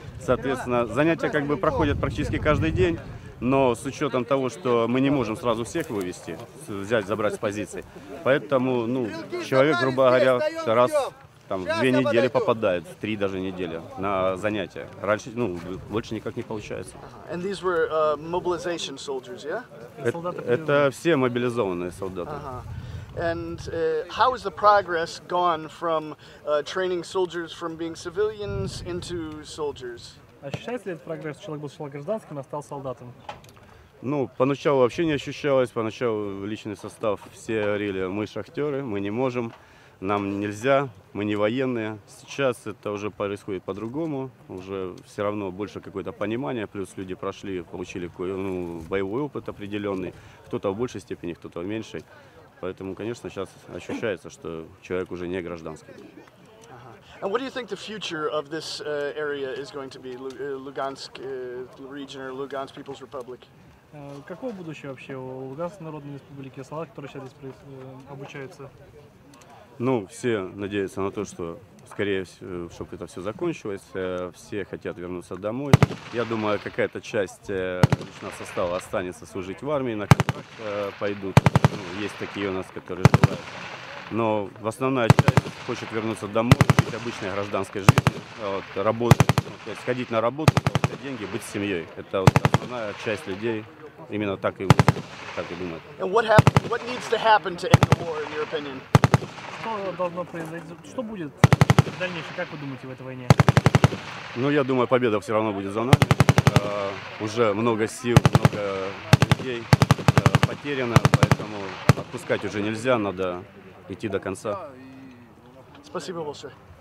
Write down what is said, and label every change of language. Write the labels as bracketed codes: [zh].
[ru] Соответственно, занятия как бы проходят практически каждый день. Но с учетом того, что мы не можем сразу всех вывести, взять, забрать с позиции. Поэтому, ну, человек, грубо говоря, раз там, в две недели попадает, в три даже недели на занятия. Раньше, ну, больше никак не получается. [en] And these were, mobilization soldiers, yeah? [ru] Это все мобилизованные солдаты. [en] And how has the progress gone from training soldiers from being civilians into soldiers? [ru] Ощущается ли этот прогресс? Человек был гражданским, а стал солдатом? Ну, поначалу вообще не ощущалось. Поначалу личный состав все говорили, мы шахтеры, мы не можем. Нам нельзя, мы не военные. Сейчас это уже происходит по-другому. Уже все равно больше какое-то понимание. Плюс люди прошли, получили ну, боевой опыт определенный. Кто-то в большей степени, кто-то в меньшей. Поэтому, конечно, сейчас ощущается, что человек уже не гражданский. [en] And what do you think the future of this area is going to be? Lugansk region or Lugansk People's Republic? [ru] Какое будущее вообще у Луганской Народной Республики? Солдат, которые сейчас здесь обучаются? Ну, все надеются на то, что, скорее всего, чтобы это все закончилось, все хотят вернуться домой. Я думаю, какая-то часть личного состава останется служить в армии, на которых пойдут. Ну, есть такие у нас, которые желают. Но в основная часть хочет вернуться домой, жить обычной гражданской жизнью, вот, работать, то есть ходить на работу, получать деньги, быть с семьей. Это вот основная часть людей. Именно так и думают. [en] And what needs to happen to end the war, in your opinion? [ru] Что должно произойти? Что будет в дальнейшем? Как вы думаете в этой войне? Ну, я думаю, победа все равно будет за нами. Уже много сил, много людей потеряно, поэтому отпускать уже нельзя, надо идти до конца. Спасибо большое.